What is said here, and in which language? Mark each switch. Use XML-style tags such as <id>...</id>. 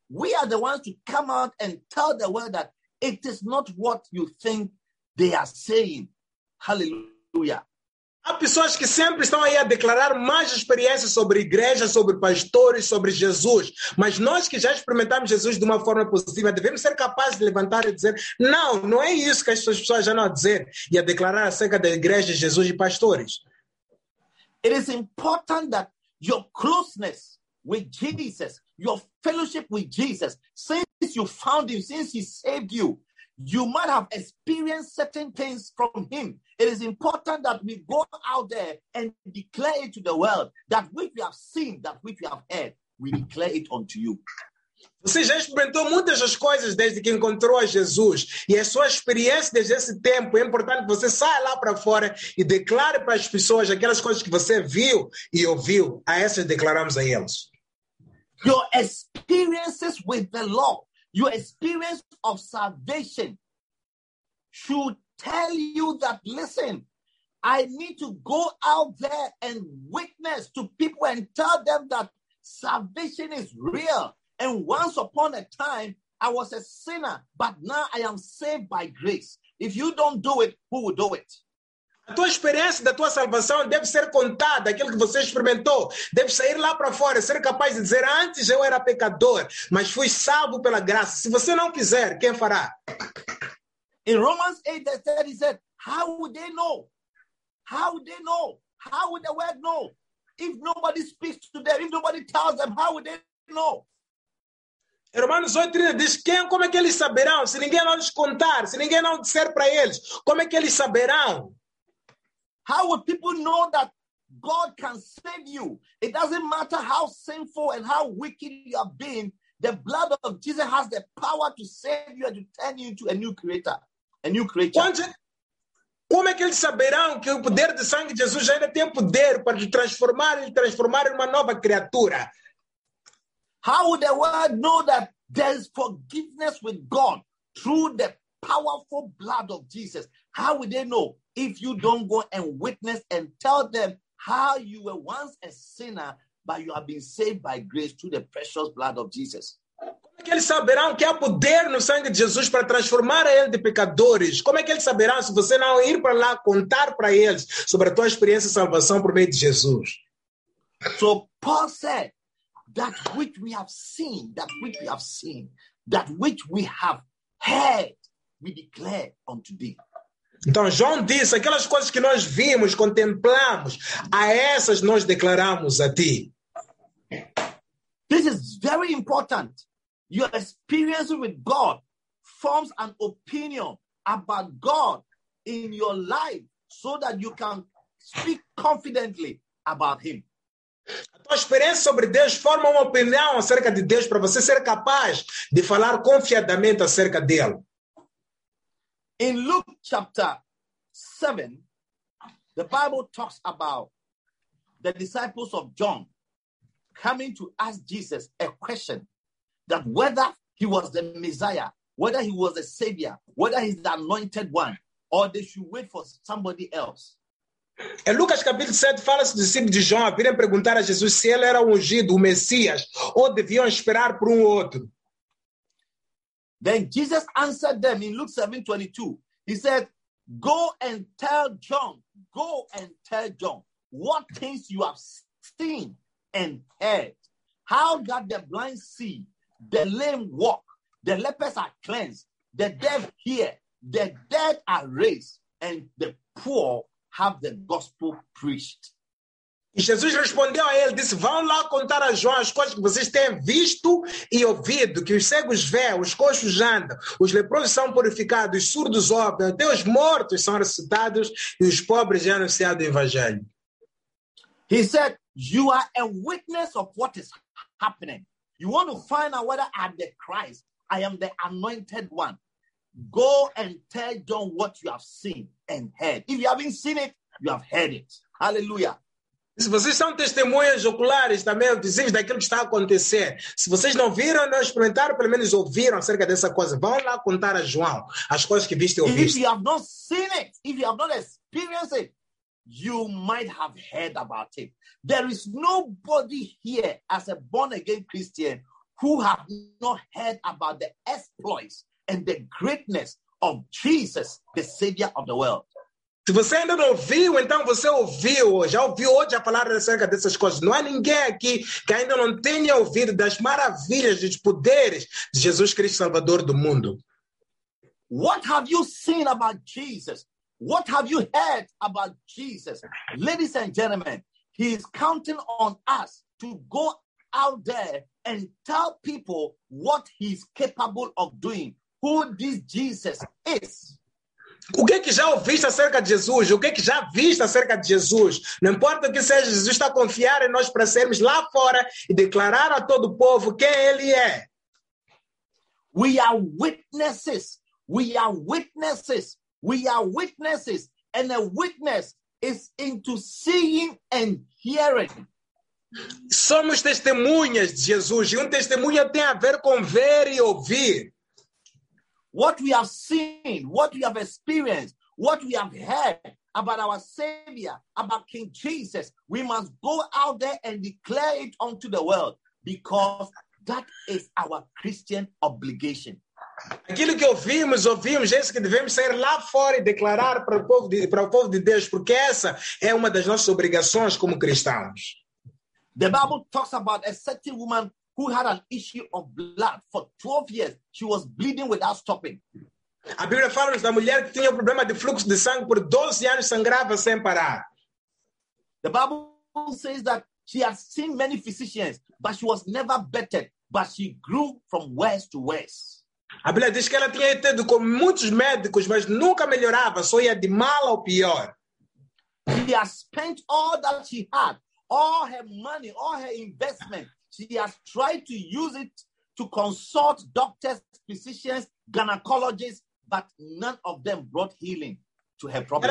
<en>We are the ones to come out and tell the world that it is not what you think they are saying. Hallelujah.</en> <pt>Há pessoas que sempre estão aí a declarar mais experiências sobre igreja, sobre pastores, sobre Jesus. Mas nós que já experimentamos Jesus de uma forma positiva, devemos ser capazes de levantar e dizer, não, não é isso que as pessoas já não a dizer e a declarar acerca da igreja, Jesus e pastores.</pt> <en>It is important that your closeness with Jesus, your fellowship with Jesus, since you found him, since he saved you, you might have experienced certain things from him. It is important that we go out there and declare it to the world that which we have seen, that which we have heard, we declare it unto you.</en> <pt>Você já experimentou muitas das coisas desde que encontrou a Jesus. E a sua experiência desde esse tempo, é importante que você saia lá para fora e declare para as pessoas aquelas coisas que você viu e ouviu. A essas declaramos a eles.</pt> <en>Your experiences with the Lord, Your experience of salvation should tell you that, listen, I need to go out there and witness to people and tell them that salvation is real. And once upon a time, I was a sinner, but now I am saved by grace. If you don't do it, who will do it?</en> <pt>A tua experiência da tua salvação deve ser contada, aquilo que você experimentou. Deve sair lá para fora, ser capaz de dizer, antes eu era pecador, mas fui salvo pela graça. Se você não quiser, quem fará?</pt> <en>In Romans 8, 30, he said, how would they know? How would they know? How would the word know? If nobody speaks to them, if nobody tells them, how would they know?</en> <pt>Romanos 8, 30 diz, quem, como é que eles saberão? Se ninguém não lhes contar, se ninguém não disser para eles, como é que eles saberão?</pt> <en>How would people know that God can save you? It doesn't matter how sinful and how wicked you have been, the blood of Jesus has the power to save you and to turn you into a new creator. A new creature.</en> <pt>Como é que eles saberão que o poder de sangue de Jesus ainda tem poder para te transformar e transformar em uma nova criatura?</pt> <en>How would the world know that there is forgiveness with God through the powerful blood of Jesus? How would they know if you don't go and witness and tell them how you were once a sinner, but you have been saved by grace through the precious blood of Jesus?</en> <pt>Como é que eles saberão que há poder no sangue de Jesus para transformar eles de pecadores? Como é que eles saberão se você não ir para lá contar para eles sobre a tua experiência de salvação por meio de Jesus?</pt> <en>So Paul said, that which we have seen, that which we have seen, that which we have heard, we declare unto thee.</en> <pt>Então João disse, aquelas coisas que nós vimos, contemplamos, a essas nós declaramos a ti.</pt> <en>This is very important. Your experience with God forms an opinion about God in your life so that you can speak confidently about him.</en> <pt>A tua experiência sobre Deus forma uma opinião acerca de Deus para você ser capaz de falar confiadamente acerca dele.</pt> <en>In Luke chapter 7, the Bible talks about the disciples of John coming to ask Jesus a question that whether he was the Messiah, whether he was a savior, whether he's the anointed one, or they should wait for somebody else.</en> <pt>Em Lucas capítulo 7, fala-se do discípulo de João a virem perguntar a Jesus se ele era ungido, o Messias, ou deviam esperar por outro.</pt> <en>Then Jesus answered them in Luke 7:22. He said, go and tell John, go and tell John what things you have seen and heard. How that the blind see, the lame walk, the lepers are cleansed, the deaf hear, the dead are raised, and the poor have the gospel preached.</en> <pt>E Jesus respondeu a ele, disse, vão lá contar a João as coisas que vocês têm visto e ouvido, que os cegos veem, os coxos andam, os leprosos são purificados, os surdos ouvem, até os mortos são ressuscitados e os pobres já anunciado o evangelho.</pt> <en>He said, you are a witness of what is happening. You want to find out whether I'm the Christ, I am the anointed one. Go and tell John what you have seen and heard. If you haven't seen it, you have heard it. Hallelujah.</en> <pt>Se vocês são testemunhas oculares também, visíveis daquilo que está a acontecer. Se vocês não viram, não experimentaram, pelo menos ouviram acerca dessa coisa. Vão lá contar a João as coisas que viste e ouviste.</pt> <en>If you have not seen it, if you have not experienced it, you might have heard about it. There is nobody here as a born-again Christian who have not heard about the exploits and the greatness of Jesus, the Savior of the world.</en> <pt>Se você ainda não ouviu, então você ouviu, já ouviu hoje a falar acerca dessas coisas. Não há ninguém aqui que ainda não tenha ouvido das maravilhas, dos poderes de Jesus Cristo, Salvador do mundo.</pt> <en>What have you seen about Jesus? What have you heard about Jesus? Ladies and gentlemen, he is counting on us to go out there and tell people what he's capable of doing, who this Jesus is.</en> <pt>O que é que já ouviste acerca de Jesus? O que é que já viste acerca de Jesus? Não importa o que seja, Jesus está a confiar em nós para sermos lá fora e declarar a todo o povo quem ele é.</pt> <en>We are witnesses. We are witnesses. We are witnesses. And a witness is into seeing and hearing.</en> <pt>Somos testemunhas de Jesus, e testemunha tem a ver com ver e ouvir.</pt> <en>What we have seen, what we have experienced, what we have heard about our Savior, about King Jesus, we must go out there and declare it unto the world, because that is our Christian obligation.</en> <pt>Aquilo que ouvimos, é isso que devemos sair lá fora e declarar para o povo de Deus, porque essa é uma das nossas obrigações como cristãos.</pt> <en>The Bible talks about a certain woman who had an issue of blood for 12 years. She was bleeding without stopping.</en> <pt>A Bíblia fala-nos da mulher que tinha problema de fluxo de sangue por 12 anos, sangrava sem parar.</pt> <en>The Bible says that she had seen many physicians, but she was never better, but she grew from worse to worse.</en> <pt>A Bíblia diz que ela tinha tido com muitos médicos, mas nunca melhorava, só ia de mal ao pior.</pt> <en>She has spent all that she had, all her money, all her investment. She has tried to use it to consult doctors, physicians, gynecologists, but none of them brought healing to her problem.</en>